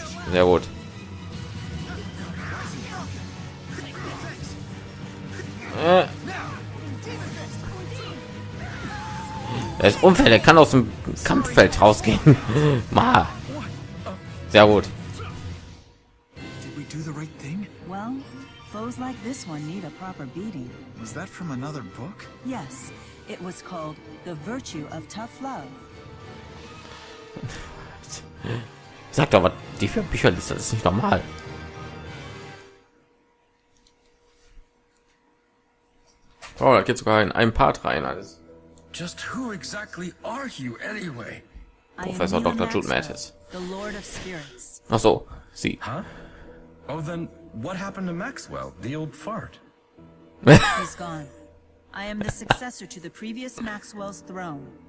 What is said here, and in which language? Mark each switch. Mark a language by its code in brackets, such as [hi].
[de] Sehr gut. Er ist unfair, der kann aus dem Kampffeld rausgehen. Ma. Sehr gut. [en] Did we do the right thing? Well, foes like this one need a proper beating. Was that from another book? Yes, it was called The Virtue of Tough Love. [de] Sag doch, was die für Bücher liest, das ist nicht normal. Oh, da geht sogar in ein Part rein alles. [en] Just who exactly are you anyway? Professor Dr. Jude Mattis. The Lord of Spirits. [de] Ach so, sie. Huh? [en] Oh, then what happened to Maxwell, the old fart? He's gone. I am the successor to the previous Maxwell's throne.